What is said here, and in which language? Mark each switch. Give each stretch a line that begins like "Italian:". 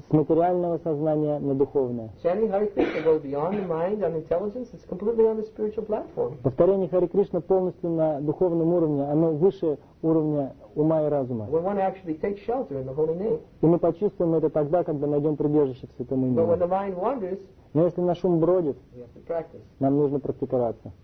Russian: С материального сознания на духовное.
English: Chanting Hare Krishna goes beyond the mind and intelligence. It's completely on the spiritual platform.
Russian: Повторение Хари Кришна полностью на духовном уровне. Оно выше уровня ума и разума.
English: When one actually takes shelter in the holy name.
Russian: И мы почувствуем это тогда, когда найдем прибежище в святом имени.
English: But when the mind wanders.
Russian: Но если наш ум бродит,
English: we have to practice.
Russian: Нам нужно практиковаться.